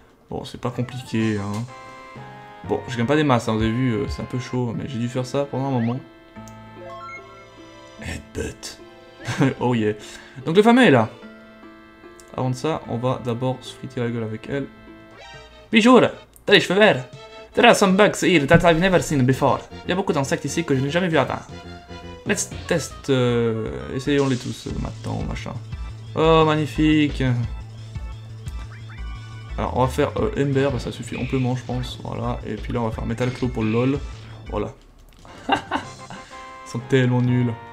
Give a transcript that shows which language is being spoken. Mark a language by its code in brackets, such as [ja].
[fr] Bon, c'est pas compliqué, hein. Bon, je gagne pas des masses, hein, vous avez vu, c'est un peu chaud, mais j'ai dû faire ça pendant un moment. [en] Headbutt. Oh yeah. [fr] Donc le fameux est là. Avant de ça, on va d'abord se friter la gueule avec elle. Bijoule, t'as les cheveux verts. [en] There are some bugs here that I've never seen before. [fr] Il y a beaucoup d'insectes ici que je n'ai jamais vu avant. [en] Let's test. [fr] Essayons-les tous maintenant, machin. Oh, magnifique. Alors, on va faire Ember, ça suffit amplement, je pense. Voilà. Et puis là, on va faire Metal Claw pour LOL. Voilà. Ils sont tellement nuls.